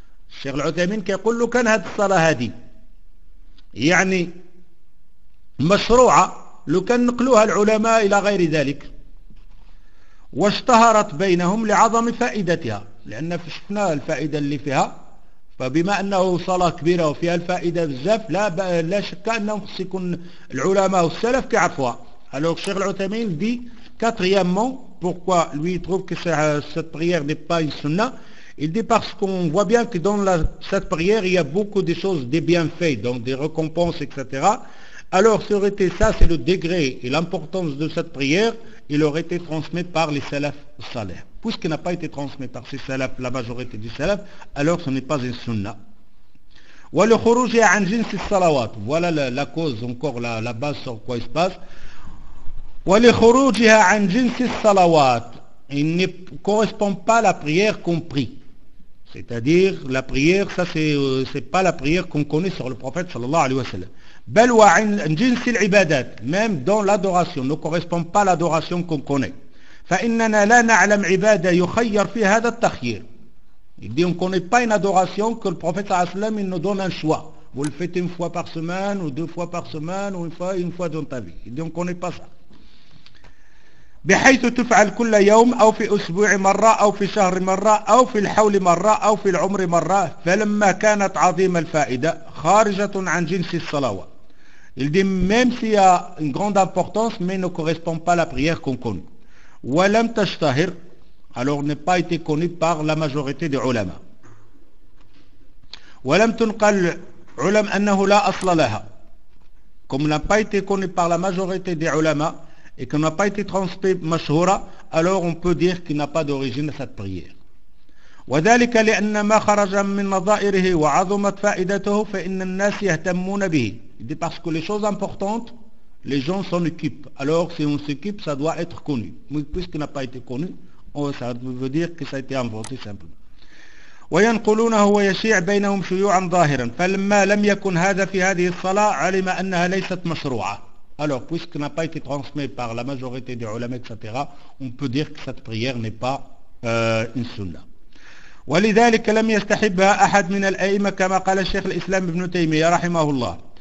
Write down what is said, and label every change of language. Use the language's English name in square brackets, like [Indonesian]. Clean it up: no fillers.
[Arabic] الشيخ العثيمين يقول له كان هذه الصلاة هذه يعني مشروعة لو كان نقلوها العلماء إلى غير ذلك واشتهرت بينهم لعظم فائدتها لأن فشنا الفائدة اللي فيها. فبما أنه صلاة كبيرة وفيها الفائدة بزاف لا شك أنهم سيكون العلماء والسلف كعفوا. [French] هلو الشيخ العثيمين دي كاتريامون بوركوا لو يتروف كي سيت بريير دي با سنة. Il dit parce qu'on voit bien que dans cette prière il y a beaucoup de choses, des bienfaits, donc des récompenses, etc. Alors, si aurait été ça, c'est le degré et l'importance de cette prière, il aurait été transmis par les salafs salaires. Puisqu'il n'a pas été transmis par ces salafs, la majorité du salaf, alors ce n'est pas une sunna. [Arabic] Wa le khuruj an jins as-salawat. [French] Voilà la cause, encore la base sur quoi il se passe. [Arabic] Wa le khuruj an jins as-salawat. [French] Il ne correspond pas à la prière qu'on prie. C'est-à-dire, la prière, ça, c'est pas la prière qu'on connaît sur le prophète sallallahu alayhi wa sallam. [Arabic] بل وعن جنس العبادات [French] même dans l'adoration ne correspond pas à l'adoration qu'on connaît. [Arabic] فإننا لا نعلم عبادة يخير في هذا التخيير. [French] Il dit on ne connaît pas une adoration que le prophète sallallahu alayhi wa sallam il nous donne un choix. Vous le faites une fois par semaine ou deux fois par semaine ou une fois dans ta vie. Il dit on ne connaît pas ça. [Arabic] بحيث تفعل كل يوم أو في أسبوع مرة أو في شهر مرة أو في الحول مرة أو في العمر مرة فلما كانت عظيمة الفائدة خارجة عن جنس الصلاوات. [French] Il dit même s'il y a une grande importance mais ne correspond pas à la prière qu'on connaît. [Arabic] ولم تشتهر [French] alors n'est pas été connu par la majorité des ulama. [Arabic] ولم تنقل علم أنه لا أصل لها [French] comme n'a pas été connu par la majorité des ulama et qu'on n'a pas été transmis mashoura, alors on peut dire qu'il n'a pas d'origine à cette prière. [Arabic] وذلك لأن ما خرج من نظائره وعظمت فائدته فإن الناس يهتمون به. [French] Il dit parce que les choses importantes, Les gens s'en occupent. Alors, si on s'occupe, ça doit être connu. Mais puisqu'il n'a pas été connu, ça veut dire que ça a été inventé simplement. [Arabic] وينقلونه هو يشيع بينهم شيوعا ظاهرا فلما لم يكن هذا في هذه الصلاة علم أنها ليست مشروعة. [French] Alors, puisque n'a pas été transmis par la majorité des ulama, etc., on peut dire que cette prière n'est pas une sunna. [Arabic] ولذلك لم يستحبها أحد من الأئمة كما قال الشيخ الإسلام ابن تيمية رحمه الله.